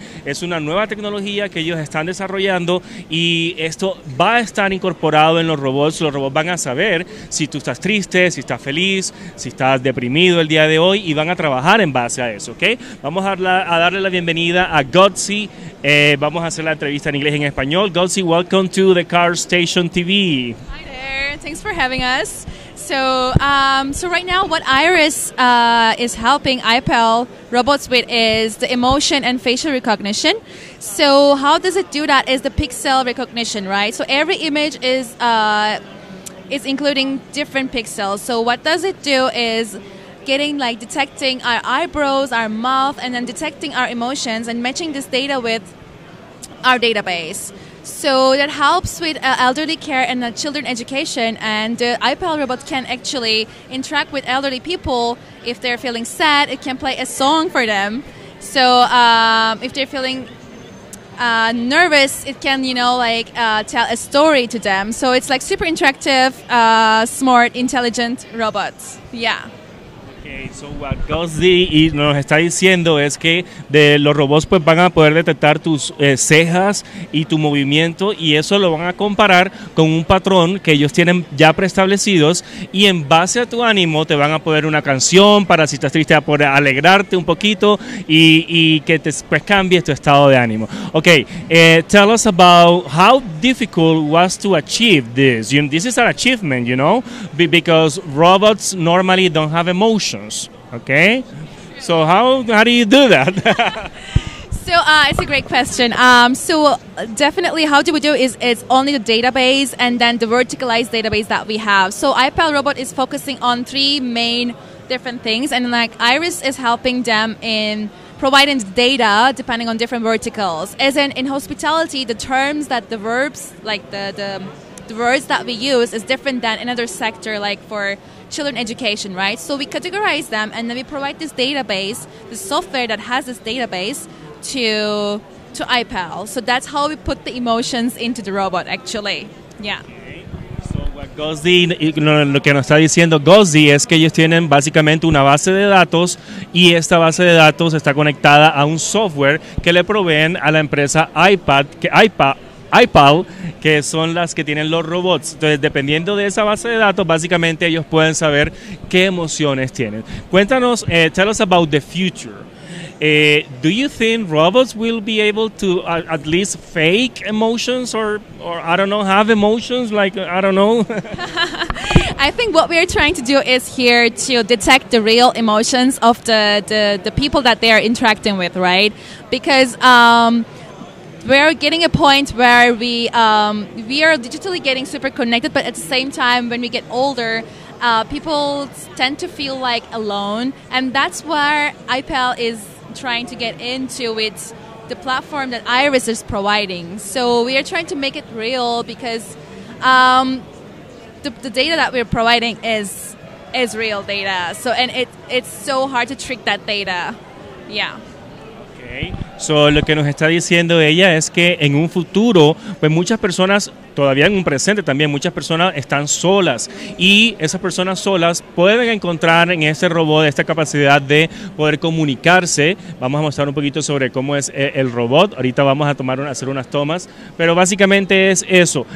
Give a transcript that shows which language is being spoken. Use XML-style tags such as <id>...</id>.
<es>Es una nueva tecnología que ellos están desarrollando y esto va a estar incorporado en los robots. Los robots van a saber si tú estás triste, si estás feliz, si estás deprimido el día de hoy y van a trabajar en base a eso, ¿ok? Vamos a darle la bienvenida a Godzi. Vamos a hacer la entrevista en inglés y en español.</es> <en>Godzi, welcome to the Car Station TV. Hi there, thanks for having us. So right now what Iris is helping iPal robots with is the emotion and facial recognition. So how does it do that is the pixel recognition, right? So every image is including different pixels. So what does it do is getting like detecting our eyebrows, our mouth, and then detecting our emotions and matching this data with our database. So that helps with elderly care and children education, and the iPal robot can actually interact with elderly people. If they're feeling sad, it can play a song for them. So if they're feeling nervous, it can, you know, like tell a story to them. So it's like super interactive, smart, intelligent robots. Yeah. So what</en> <es>Godzi nos está diciendo es que de los robots pues van a poder detectar tus cejas y tu movimiento, y eso lo van a comparar con un patrón que ellos tienen ya preestablecidos, y en base a tu ánimo te van a poner una canción para, si estás triste, a poder alegrarte un poquito y que te, pues, cambies tu estado de ánimo.</es> <en>Okay, tell us about how difficult was to achieve this. This is an achievement, you know, because robots normally don't have emotion. Okay, so how do you do that? So it's a great question. So definitely how do we do is it's only the database and then the verticalized database that we have. So iPal robot is focusing on three main different things, and like Iris is helping them in providing data depending on different verticals. As in hospitality, the terms that the verbs, like the words that we use is different than another sector, like for children education, right? So we categorize them and then we provide this database, the software that has this database, to iPal. So that's how we put the emotions into the robot, actually. Yeah.</en> <es>Godzi, lo que nos está diciendo Godzi es que ellos tienen básicamente una base de datos, y esta base de datos está conectada a un software que le proveen a la empresa iPal, que son las que tienen los robots. Entonces, dependiendo de esa base de datos, básicamente ellos pueden saber qué emociones tienen. Cuéntanos,</es> <en>tell us about the future. Do you think robots will be able to at least fake emotions or I don't know, have emotions, like, I don't know? I think what we are trying to do is here to detect the real emotions of the people that they are interacting with, right? Because we're getting a point where we are digitally getting super connected, but at the same time, when we get older, people tend to feel like alone, and that's where iPal is trying to get into with the platform that Iris is providing. So we are trying to make it real, because the data that we're providing is real data. So, and it's so hard to trick that data. Yeah. Okay.</en> <es>So, lo que nos está diciendo ella es que en un futuro, pues muchas personas, todavía en un presente también, muchas personas están solas, y esas personas solas pueden encontrar en ese robot esta capacidad de poder comunicarse. Vamos a mostrar un poquito sobre cómo es el robot. Ahorita vamos a hacer unas tomas, pero básicamente es eso.</es>